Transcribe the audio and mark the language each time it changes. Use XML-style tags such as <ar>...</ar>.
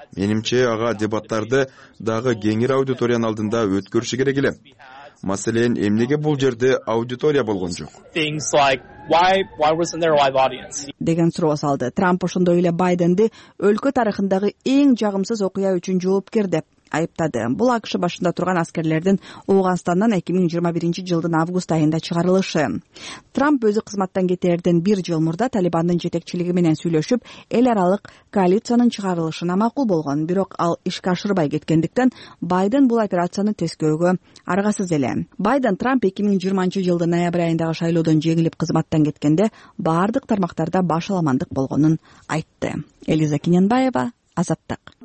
<ky>Менимче, ага дебаттарды дагы кеңири аудиториянын алдында өткөрүшү керек эле. Маселен, эмнеге бул жерде аудитория болгон жок?</ky> <en>Why wasn't there a live audience?</en> <ky>Деген суроо салды. Трамп ошондой эле Байденди өлкө тарыхындагы эң жагымсыз окуя үчүн жоопкер деп айыптады. Бул АКШ башында турган аскерлердин Афганистандан 2021 жылдын август айында чыгарылышы. Трамп өзү кызматтан кетээрден бир жыл мурда Талибандын жетекчилиги менен сүйлөшүп, эл аралык коалициянын чыгарылышына макул болгон, бирок ал ишке ашырбай кеткендиктен Байден бул операцияны тескөөгө аргасыз эле. Байден Трамп 2020 жылдын ноябрь айындагы шайлоодон жеңилип кызматтан кеткенде баардык тармактарда баш аламандык болгонун айтты. Элиза Кененбаева, Азаттык.</ky>